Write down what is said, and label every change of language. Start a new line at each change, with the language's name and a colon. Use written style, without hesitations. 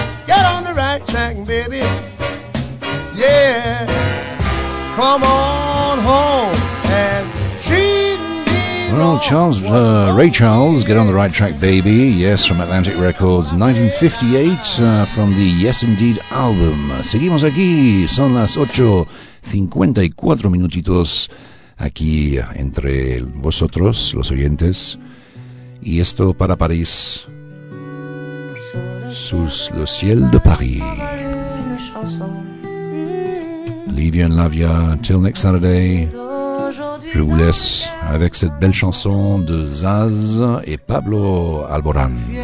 English: Get on the right track, baby. Yeah. Come on home and treat me well. Charles, Ray Charles, Get on the Right Track, Baby. Yes, from Atlantic Records, 1958, from the Yes Indeed album.
Spanish: Seguimos aquí, son las 8:54 minutitos aquí entre vosotros, los oyentes, y esto para París, sous le ciel de Paris.
English: Leave you in love ya, till next Saturday.
French: Je vous laisse avec cette belle chanson de Zaz et Pablo Alborán.